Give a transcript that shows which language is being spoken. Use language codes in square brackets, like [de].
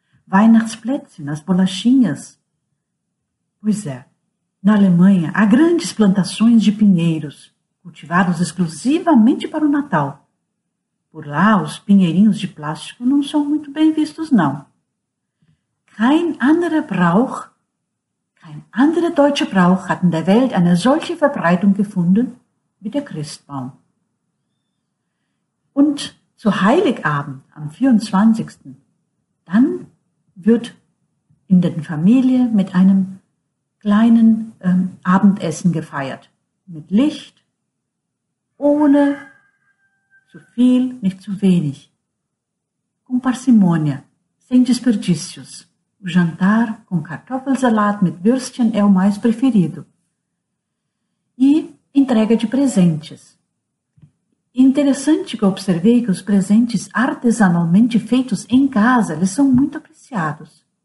[pt] Weihnachtsplätzchen, as bolachinhas. Pois é, na Alemanha há grandes plantações de pinheiros, cultivados exclusivamente para o Natal. Por lá, os pinheirinhos de plástico não são muito bem vistos, não. [de] Kein anderer Brauch, kein anderer deutscher Brauch hat in der Welt eine solche Verbreitung gefunden wie der Christbaum. Und zu Heiligabend am 24. dann wird in der Familie mit einem kleinen Abendessen gefeiert. Mit Licht, ohne zu viel, nicht zu wenig. [pt] Com parcimônia, sem desperdícios. O jantar com [de] Kartoffelsalat mit Würstchen [pt] é o mais preferido. E entrega de presentes. Interessante que eu observei que os presentes artesanalmente feitos em casa, eles são muito apreciados.